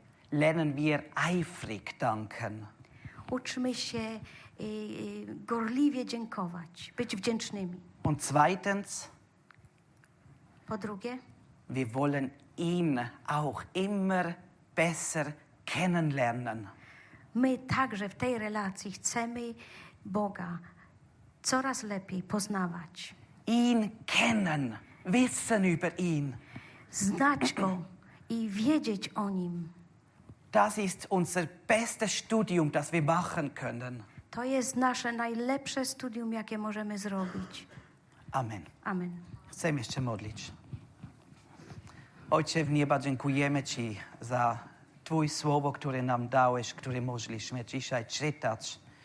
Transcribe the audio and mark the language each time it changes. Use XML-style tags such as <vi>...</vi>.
<de>lernen wir eifrig danken.</de> <pl>Uczmy się gorliwie dziękować, być wdzięcznymi.</pl> <de>Und zweitens.</de> <pl>Po drugie,</pl> <de>wir wollen ihn auch immer besser kennenlernen.</de> <pl>My także w tej relacji chcemy Boga coraz lepiej poznawać.</pl> <de>Ihn kennen, wissen über ihn.</de> <pl>Znać go i wiedzieć o nim.</pl> <de>Das ist unser bestes Studium, das wir machen können.</de> <pl>To jest nasze najlepsze studium, jakie możemy zrobić.</pl> <de>Amen.</de> <pl>Amen. Chcemy jeszcze modlić. Ojcze w niebie, dziękujemy Ci za Twój słowo, które nam dałeś, które mogliśmy dzisiaj czytać.</pl>